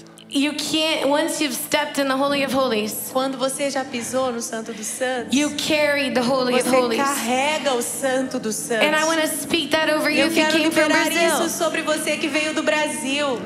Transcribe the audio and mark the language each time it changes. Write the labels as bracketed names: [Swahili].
[English] You can't, once you've stepped in the Holy of Holies, [Portuguese] quando você já pisou no Santo dos Santos, [English] you carry the Holy of Holies. [Portuguese] Você carrega o Santo dos Santos. [English] And I want to speak that over you if you came from Brazil. [Portuguese] Eu quero liberar isso sobre você que veio do Brasil.